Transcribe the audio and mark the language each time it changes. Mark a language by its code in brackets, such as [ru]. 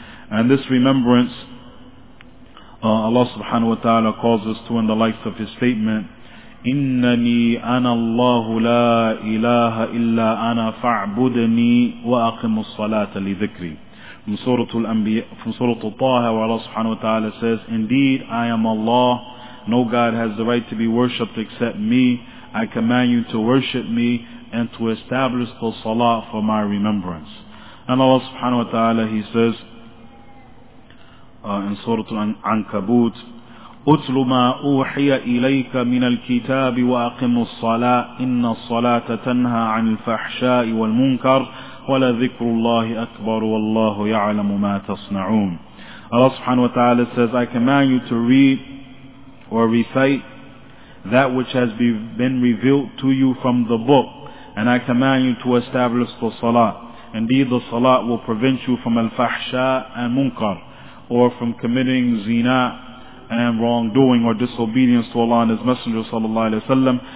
[en] And this remembrance, Allah subhanahu wa ta'ala calls us to in the likes of His statement, [ar] إِنَّنِي أَنَا اللَّهُ لَا إِلَهَ إِلَّا أَنَا فَاعْبُدْنِي وَأَقِمُ الصَّلَاةَ لِذِكْرِي. [en] From Surah Al-Taha, where Allah subhanahu wa ta'ala says, indeed, I am Allah. No God has the right to be worshipped except me. I command you to worship me and to establish the salah for my remembrance. And Allah subhanahu wa ta'ala, He says, in Surah Al-Ankabut, [ar] أتل ما أوحي إليك من الكتاب وأقم الصلاة إن الصلاة تنهى عن الفحشاء والمنكر ولذكر الله أكبر والله يعلم ما تصنعون. [en] Allah subhanahu wa ta'ala says, I command you to read or recite that which has been revealed to you from the book, and I command you to establish the salah. Indeed, the salah will prevent you from الفحشاء and munkar, or from committing zina and wrongdoing or disobedience to Allah and His Messenger sallallahu alaihi wasallam.